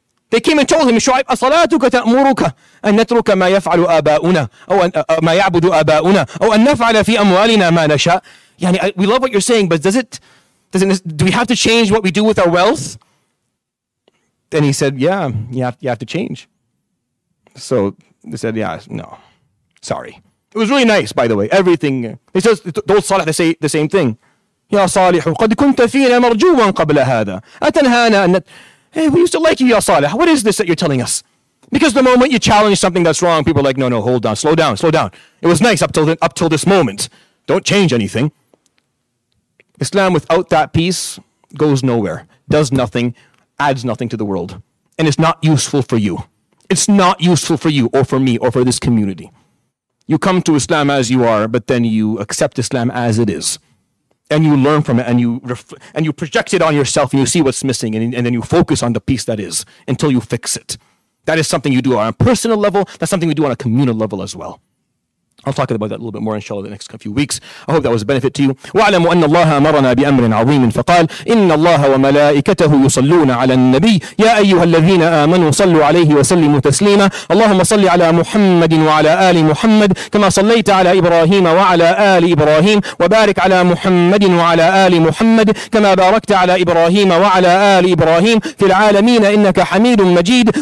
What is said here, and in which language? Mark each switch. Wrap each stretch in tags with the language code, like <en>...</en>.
<ar>They came and told him, Shu'aib, أَصَلَاتُكَ تَأْمُرُكَ أَنْ نَتْرُكَ مَا يَفْعَلُ آبَاؤُنَا أَوْ مَا يَعْبُدُ آبَاؤُنَا أَوْ أَنْ نَفْعَلَ فِي أَمْوَالِنَا مَا نَشَاءُ يعني,</ar> <en>we love what you're saying, but do we have to change what we do with our wealth? Then he said, yeah, you have to change. So they said, yeah, no, sorry. It was really nice, by the way. Everything. He says, don't salah, they say the same thing.</en> <ar>يَا صَالِحُ قَدْ كُنْتَ فِينَا مَرْجُوًا قَبْلَ هَذَا أَتَنْهَانَا أَنَّ</ar> <en>Hey, we used to like you, Ya Saleh. What is this that you're telling us? Because the moment you challenge something that's wrong, people are like, no, hold on, slow down. It was nice up till this moment. Don't change anything. Islam without that peace goes nowhere, does nothing, adds nothing to the world. And it's not useful for you. It's not useful for you or for me or for this community. You come to Islam as you are, but then you accept Islam as it is. And you learn from it, and you project it on yourself, and you see what's missing, and then you focus on the piece that is until you fix it. That is something you do on a personal level. That's something we do on a communal level as well. I'll talk about that a little bit more, inshallah, the next few weeks. I hope that was a benefit to you.</en> <ar>وَاعْلَمُوا أَنَّ اللَّهَ أَمَرَنَا بِأَمْرٍ عَظِيمٍ فَقَالَ إِنَّ اللَّهَ وَمَلَائِكَتَهُ يُصَلُّونَ عَلَى النَّبِيِّ يَا أَيُّهَا الَّذِينَ آمَنُوا صَلُّوا عَلَيْهِ وَسَلِّمُوا تَسْلِيمًا اللهم صل على محمد وعلى آل محمد كما صليت على إبراهيم وعلى آل إبراهيم وبارك على محمد وعلى آل محمد كما باركت على إبراهيم وعلى آل إبراهيم في العالمين إنك حميد مجيد</ar>